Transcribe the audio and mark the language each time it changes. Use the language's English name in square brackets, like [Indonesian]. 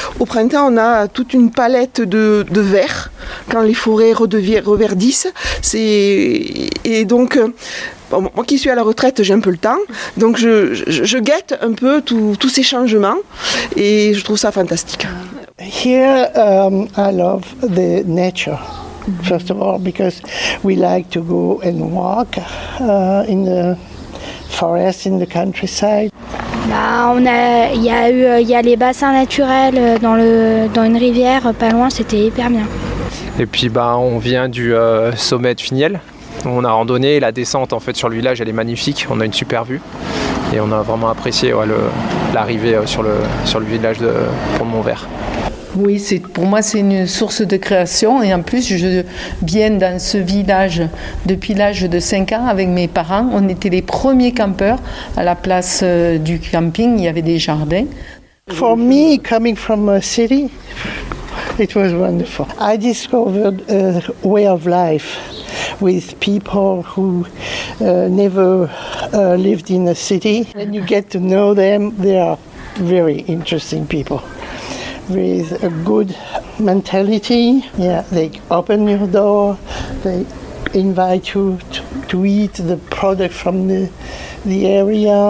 [French] Au printemps, on a toute une palette de vert, quand les forêts reverdissent. Bon, moi qui suis à la retraite, j'ai un peu le temps, donc je guette un peu tous ces changements et je trouve ça fantastique. [English] Here, I love the nature. First of all, because we like to go and walk in the forest, in the countryside. [French] Il y a les bassins naturels dans une rivière pas loin, c'était hyper bien. Et puis on vient du sommet de Finiel, où on a randonné, la descente en fait sur le village elle est magnifique, on a une super vue. Et on a vraiment apprécié l'arrivée sur le village de Pont-de-Montvert. Oui, pour moi c'est une source de création et en plus je viens dans ce village depuis l'âge de 5 ans avec mes parents. On était les premiers campeurs à la place du camping, il y avait des jardins. [English] For me, coming from a city, it was wonderful. I discovered a way of life with people who never lived in a city. And you get to know them, they are very interesting people. With a good mentality, yeah, they open your door, they invite you to eat the product from the area.